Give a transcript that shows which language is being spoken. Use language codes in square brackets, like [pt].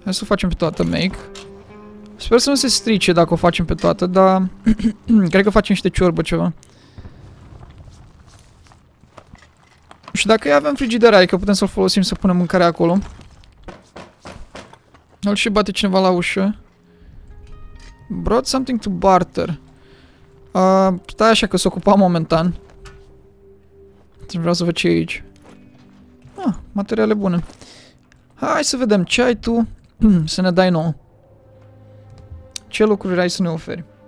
[ro] Hai să o facem pe toată, make. Sper să nu se strice dacă o facem pe toată, dar cred că facem niște ciorbă ceva. Și dacă avem frigider, adică putem să-l folosim să punem mâncarea acolo. Îl și bate cineva la ușă. [en] Brought something to barter. [ro] Stai așa că s-o ocupa momentan. Vreau să văd ce e aici. Materiale bune. Hai să vedem ce ai tu să ne dai nou. Ce lucruri ai să ne oferi?